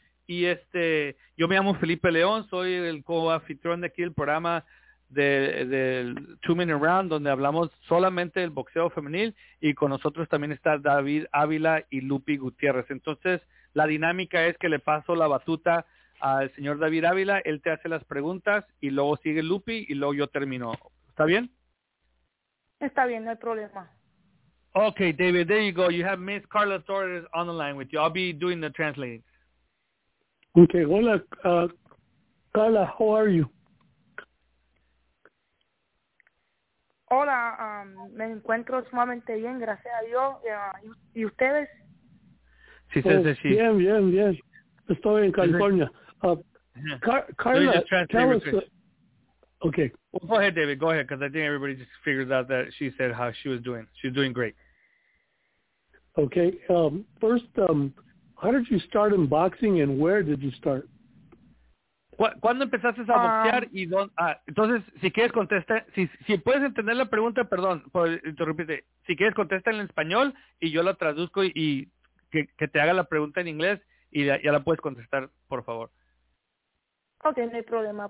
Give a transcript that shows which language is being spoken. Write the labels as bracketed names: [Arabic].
[Spanish] Y yo me llamo Felipe León, soy el co-anfitrión de aquí del programa del Two Minute Round, donde hablamos solamente del boxeo femenil, y con nosotros también está David Avila y Lupi Gutiérrez. Entonces, la dinámica es que le paso la batuta al señor David Avila, él te hace las preguntas, y luego sigue Lupi, y luego yo termino. ¿Está bien? Está bien, no hay problema. [English] Okay, David, there you go. You have Miss Carla Torres on the line with you. I'll be doing the translating. Okay, hola, Carla, how are you? [Spanish] Hola, me encuentro sumamente bien, gracias a Dios. ¿Y ustedes? Sí, sí, sí. Oh, bien. Estoy en California. Carla, [English] tell us... [Spanish] Okay. [English] Well, go ahead, David. Go ahead, because I think everybody just figured out that she said how she was doing. She's doing great. Okay. How did you start in boxing, and where did you start? [Spanish] ¿Cuándo empezaste a boxear? Entonces, si quieres contestar, si puedes entender la pregunta, perdón, por interrumpirte. Si quieres contesta en español, y yo la traduzco, y que te haga la pregunta en inglés, y ya la puedes contestar, por favor. Ok, no hay problema.